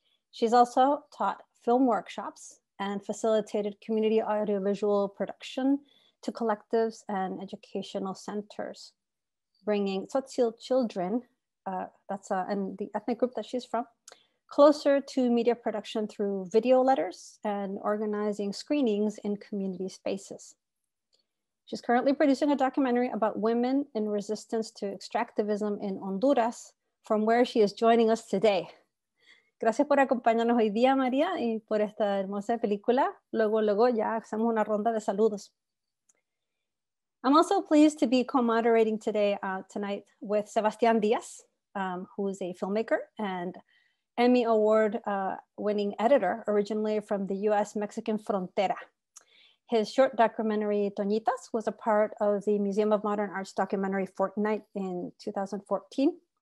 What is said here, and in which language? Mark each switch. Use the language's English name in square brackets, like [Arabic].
[English] She's also taught film workshops and facilitated community audiovisual production to collectives and educational centers, bringing Tzotzil children, and the ethnic group that she's from, closer to media production through video letters and organizing screenings in community spaces. She's currently producing a documentary about women in resistance to extractivism in Honduras, from where she is joining us today. [Spanish] Gracias por acompañarnos hoy día, María, y por esta hermosa película. Luego ya hacemos una ronda de saludos. [English] I'm also pleased to be co-moderating today, tonight with Sebastián Díaz, who is a filmmaker and Emmy Award winning editor, originally from the US-Mexican frontera. His short documentary, Toñitas, was a part of the Museum of Modern Art's documentary Fortnite in 2014.